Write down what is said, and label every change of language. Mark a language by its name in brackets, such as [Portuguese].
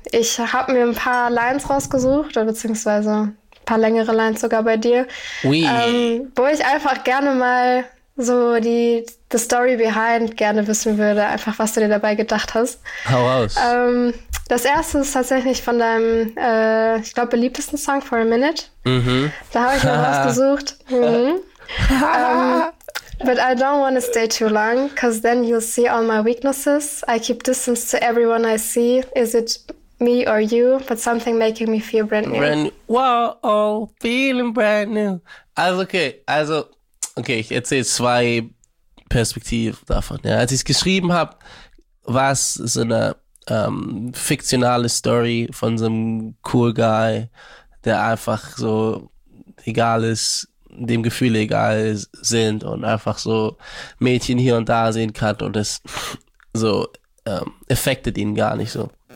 [German] Ich habe mir ein paar Lines rausgesucht, beziehungsweise ein paar längere Lines sogar bei dir, wo ich einfach gerne mal so die [English] Story behind [German] gerne wissen würde, einfach was du dir dabei gedacht hast. Hau raus. Das erste ist tatsächlich von deinem, ich glaube, beliebtesten Song, For a Minute. Mhm. Da habe ich mal rausgesucht. Mhm. [English] But I don't want to stay too long, cause then you'll see all my weaknesses. I keep distance to everyone I see. Is it me or you? But something making me feel brand new. Wow, oh, feeling brand new. [German] Also, okay, ich erzähle zwei Perspektiven davon. Ja. Als ich es geschrieben habe, war es so eine fiktionale Story von so einem [English] cool Guy, [German] der einfach so egal ist, dem Gefühle egal sind und einfach so Mädchen hier und da sehen kann und das so affected ihn gar nicht so.